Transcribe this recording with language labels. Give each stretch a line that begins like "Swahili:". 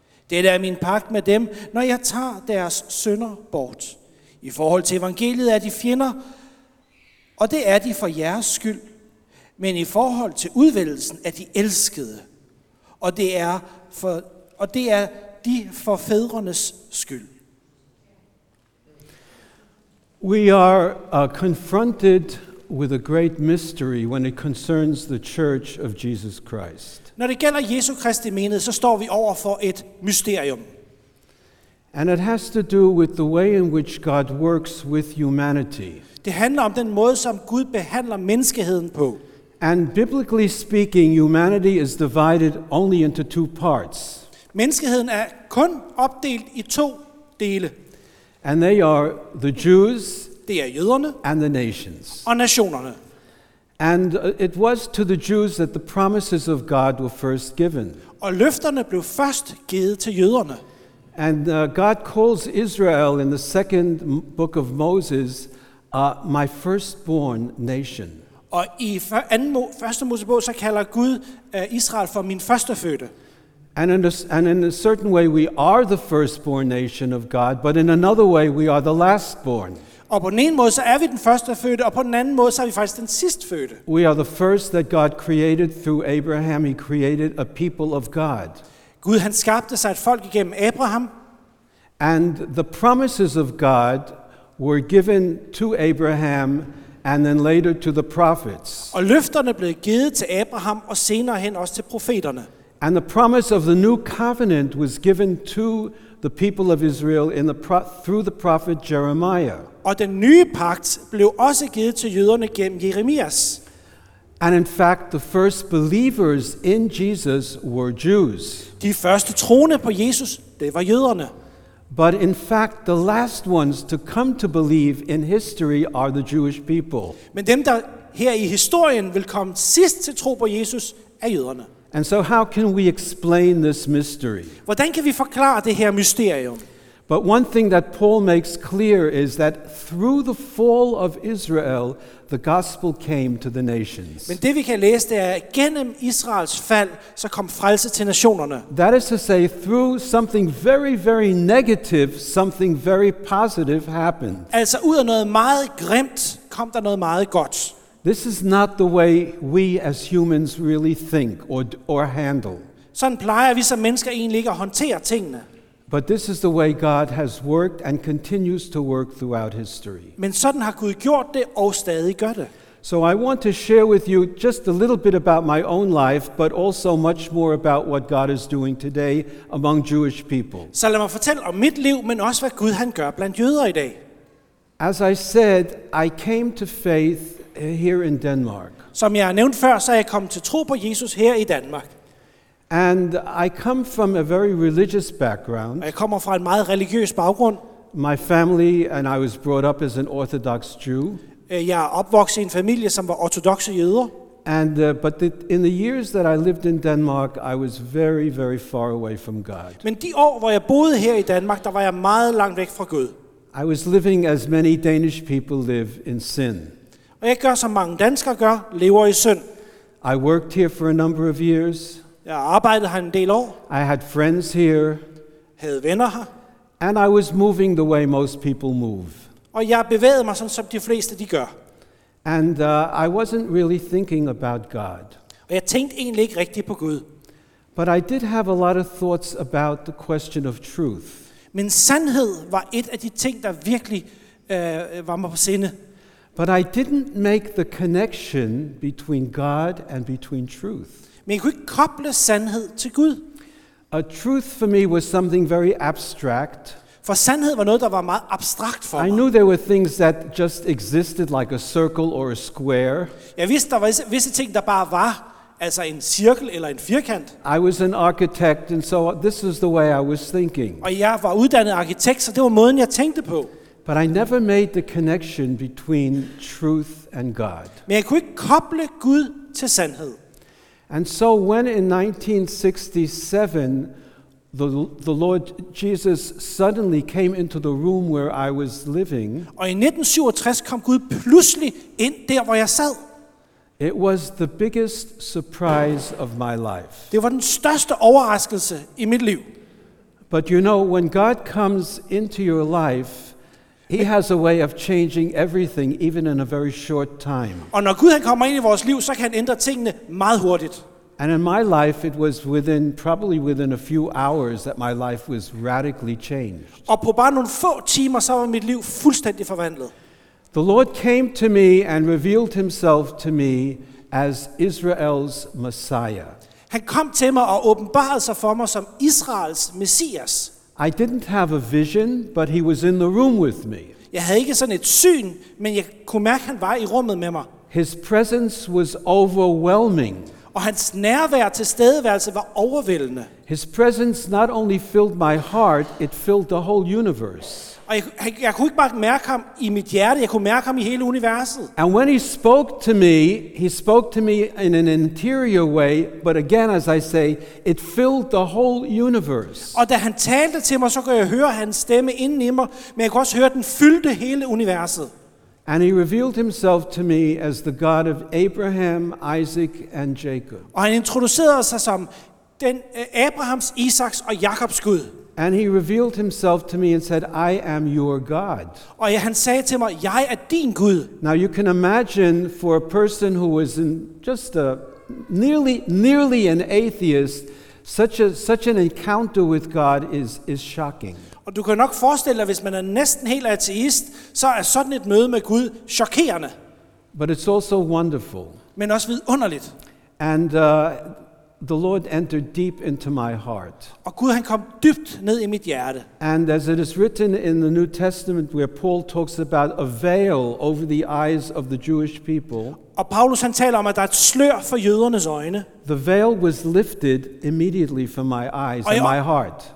Danish: Dette er min pagt med dem, når jeg tager deres synder bort. I forhold til evangeliet er de fjender, og det er de for jeres skyld, men i forhold til udvælgelsen er de elskede, og det er de for fædrenes skyld.
English: We are confronted with a great mystery when it concerns the Church of Jesus Christ.
Danish: Når det gælder Jesu Kristi menighed, så står vi over for et mysterium.
English: And it has to do with the way in which God works with humanity.
Danish: Det handler om den måde, som Gud behandler menneskeheden på.
English: And biblically speaking, humanity is divided only into two parts.
Danish: Menneskeheden er kun opdelt i to dele.
English: And they are the Jews,
Danish: det er jøderne,
English: and the nations,
Danish: og nationerne.
English: And it was to the Jews that the promises of God were first given.
Danish: Og løfterne blev først givet til jøderne.
English: And God calls Israel in the second book of Moses, my firstborn nation.
Danish: Og i første Mosebog så kalder Gud Israel for min førstefødte.
English: And in a certain way, we are the firstborn nation of God, but in another way, we are the lastborn.
Danish: Og på den ene måde så er vi den første fødte, og på den anden måde så er vi faktisk den sidst fødte.
English: We are the first that God created through Abraham. He created a people of God.
Danish: Gud han skabte sig et folk igennem Abraham.
English: And the promises of God were given to Abraham and then later to the prophets.
Danish: Og løfterne blev givet til Abraham og senere hen også til profeterne.
English: And the promise of the new covenant was given to the people of Israel in the through the prophet Jeremiah.
Danish: Og den nye pagt blev også givet til jøderne gennem Jeremias.
English: And in fact, the first believers in Jesus were Jews.
Danish: De første troende på Jesus, det var jøderne.
English: But in fact, the last ones to come to believe in history are the Jewish people.
Danish: Men dem der her i historien vil komme sidst til tro på Jesus er jøderne.
English: And so how can we explain this mystery?
Danish: Hvordan kan vi forklare det her mysterium?
English: But one thing that Paul makes clear is that through the fall of Israel, the gospel came to the nations.
Danish: Men det vi kan læse det er, at gennem Israels fald, så kom frelse til nationerne.
English: That is to say, through something very, very negative, something very positive happened.
Danish: Altså ud af noget meget grimt, kom der noget meget godt.
English: This is not the way we as humans really think or handle.
Danish: Sådan plejer vi som mennesker egentlig ikke at håndtere tingene.
English: But this is the way God has worked and continues to work throughout history.
Danish: Men sådan har Gud gjort det og stadig gør det.
English: So I want to share with you just a little bit about my own life, but also much more about what God is doing today among Jewish people.
Danish: Så lad mig fortælle om mit liv, men også hvad Gud han gør blandt jøder i dag.
English: As I said, I came to faith here in Denmark.
Danish: Som jeg nævnte før, så er jeg kommet til tro på Jesus her i Danmark.
English: And I come from a very religious background.
Danish: Jeg kommer fra en meget religiøs baggrund.
English: My family and I was brought up as an Orthodox Jew.
Danish: Jeg er opvokset i en familie som var ortodokse jøder.
English: And but in the years that I lived in Denmark, I was very, very far away from God.
Danish: Men de år hvor jeg boede her i Danmark, der var jeg meget langt væk fra Gud.
English: I was living as many Danish people live in sin.
Danish: Og jeg gør som mange danskere gør, lever i synd.
English: I worked here for a number of years.
Danish: Jeg arbejdede her en del år.
English: I had friends here.
Danish: Havde venner her.
English: And I was moving the way most people move.
Danish: Og jeg bevægede mig sådan, som de fleste de gør.
English: And I wasn't really thinking about God.
Danish: Og jeg tænkte egentlig ikke rigtigt på Gud.
English: But I did have a lot of thoughts about the question of truth.
Danish: Men sandhed var et af de ting, der virkelig var mig på sinde.
English: But I didn't make the connection between God and between truth.
Danish: Men jeg kunne ikke koble sandhed til Gud.
English: A truth for me was something very abstract.
Danish: For sandhed var noget der var meget abstrakt for mig.
English: I knew there were things that just existed like a circle or a square.
Danish: Jeg vidste der var visse ting der bare var, altså en cirkel eller en firkant.
English: I was an architect and so this is the way I was thinking.
Danish: Og jeg var uddannet arkitekt, så det var måden jeg tænkte på.
English: But I never made the connection between truth and God.
Danish: Men jeg kunne ikke koble Gud til sandhed.
English: And so when in 1967 the Lord Jesus suddenly came into the room where I was living.
Danish: Og i 1967 kom Gud pludselig ind der hvor jeg sad.
English: It was the biggest surprise of my life.
Danish: Det var den største overraskelse i mit liv.
English: But you know when God comes into your life, He has a way of changing everything, even in a very short time.
Danish: Og når Gud han kommer ind i vores liv, så kan han ændre tingene meget hurtigt.
English: And in my life, it was probably within a few hours that my life was radically changed.
Danish: Og på bare nogle få timer, så var mit liv fuldstændig forvandlet.
English: The Lord came to me and revealed himself to me as Israel's Messiah.
Danish: Han kom til mig og åbenbarede sig for mig som Israels Messias.
English: I didn't have a vision, but he was in the room with me.
Danish: Jeg havde ikke sådan et syn, men jeg kunne mærke, at han var i rummet med mig.
English: His presence was overwhelming.
Danish: Og hans nærvær, tilstedeværelse var overvældende.
English: His presence not only filled my heart, it filled the whole universe.
Danish: Og jeg kunne ikke bare mærke ham i mit hjerte, jeg kunne mærke ham i hele universet.
English: And when he spoke to me in an interior way, but again, as I say, it filled the whole universe.
Danish: Og da han talte til mig, så kunne jeg høre hans stemme inden i mig, men jeg kunne også høre, at den fyldte hele universet.
English: And he revealed himself to me as the God of Abraham, Isaac, and Jacob.
Danish: Og han introducerede sig som den Abrahams, Isaks og Jakobs Gud.
English: And he revealed himself to me and said, I am your God.
Danish: Og ja, han sagde til mig, jeg er din Gud.
English: Now you can imagine for a person who was in just a nearly an atheist, such an encounter with God is shocking.
Danish: Og du kan nok forestille dig, hvis man er næsten helt ateist, så er sådan et møde med Gud chokerende.
English: But it's also wonderful.
Danish: Men også vidunderligt.
English: And the Lord entered deep into my heart.
Danish: Og Gud, han kom dybt ned I mit hjerte.
English: And as it is written in the New Testament, where Paul talks about a veil over the eyes of the Jewish people.
Danish: Og Paulus, han taler om, at der et slør for jødernes øjne.
English: The veil was lifted immediately from my eyes and my heart.